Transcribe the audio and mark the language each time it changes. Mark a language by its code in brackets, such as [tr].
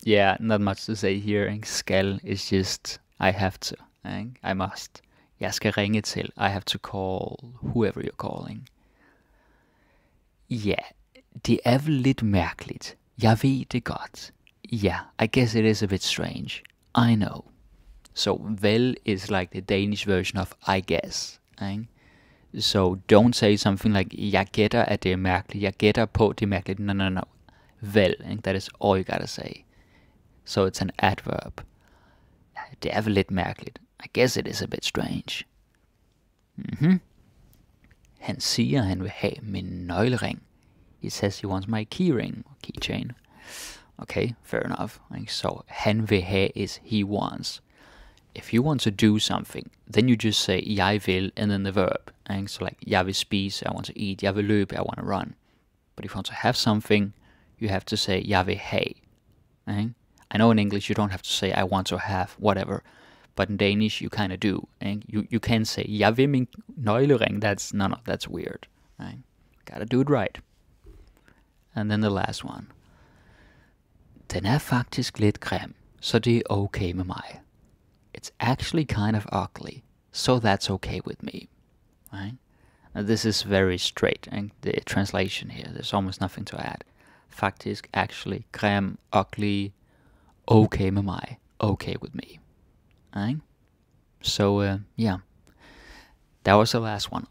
[en] yeah, not much to say here. Skal is just I have to. I must. [da] Jeg skal ringe til. [en] I have to call whoever you're calling. [da] Ja, det er vel lidt mærkeligt. Jeg ved det godt. [en] Yeah, I guess it is a bit strange. I know. So, vel is like the Danish version of I guess. Right? So, don't say something like, [da] jeg gætter, at det er mærkeligt. Jeg gætter på, at det er mærkeligt. [en] No, no, no. Vel, right? That is all you gotta say. So, it's an adverb. [da] Det er vel lidt mærkeligt. [en] I guess it is a bit strange. Mm-hmm. [da] Han siger, han vil have min nøglering. [en] He says he wants my key ring, keychain. Okay, fair enough. So, [da] han vil have [en] is he wants. If you want to do something, then you just say, [da] jeg vil, [en] and then the verb. So, like, [da] jeg vil spise, [en] I want to eat, [da] jeg vil løbe, [en] I want to run. But if you want to have something, you have to say, [da] jeg vil have. [en] I know in English you don't have to say, I want to have, whatever. But in Danish, you kind of do. You can say, [da] jeg vil min nøglering. [en] That's, no, that's weird. Gotta do it right. And then the last one. [da] Den er faktisk lidt grim, så det er okay med mig. [en] It's actually kind of ugly, so that's okay with me. Right? Now, this is very straight, and the translation here, there's almost nothing to add. Faktisk, actually, grim, ugly, [da] okay med mig, [en] okay with me. Right? So, yeah. That was the last one.